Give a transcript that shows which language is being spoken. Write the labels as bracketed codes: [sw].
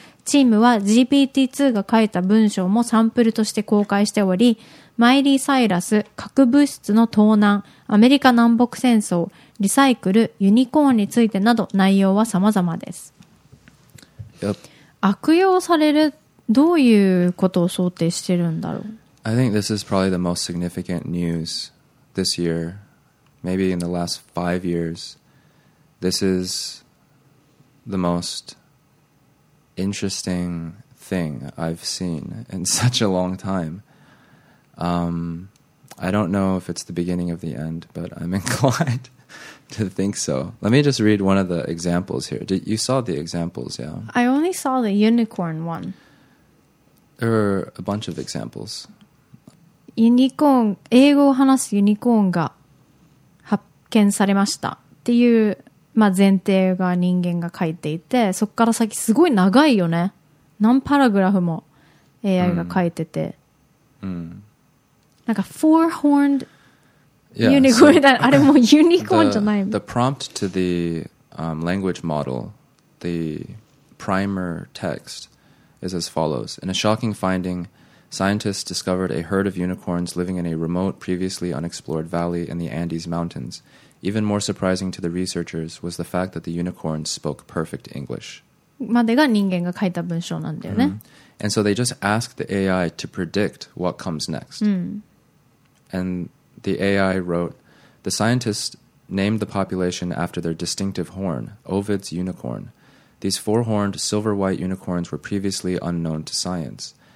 [ja] チームは GPT-2 が書いた文章もサンプルとして公開しており、マイリー・サイラス、核物質の盗難、アメリカ南北戦争、リサイクル、ユニコーンについてなど内容は様々です。悪用される、どういうことを想定してるんだろう。 [en] I think this is probably the most significant news this year, maybe in the last 5 years. This is the most interesting thing I've seen in such a long time. I don't know if it's the beginning of the end, but I'm inclined to think so. Let me just read one of the examples here. You saw the examples, yeah? I only saw the unicorn one. There are a bunch of examples. [ja] Unicorn, 英語を話すユニコーンが発見されましたっていう、まあ、前提が人間が書いていて、そこから先すごい長いよね。何パラグラフも AI が書いてて。なんか [en] four-horned unicorn、 yeah, so、 [ja] あれもうユニコーンじゃないの。 [en] The prompt to the、language model, the primer text, is as follows. In a shocking finding, scientists discovered a herd of unicorns living in a remote, previously unexplored valley in the Andes Mountains. Even more surprising to the researchers was the fact that the unicorns spoke perfect English. [ja] までが人間が書いた文章なんだよね。 Mm-hmm. [en] And so they just asked the AI to predict what comes next. Mm. And the AI wrote, the scientists named the population after their distinctive horn, Ovid's unicorn. These four-horned silver-white unicorns were previously unknown to science.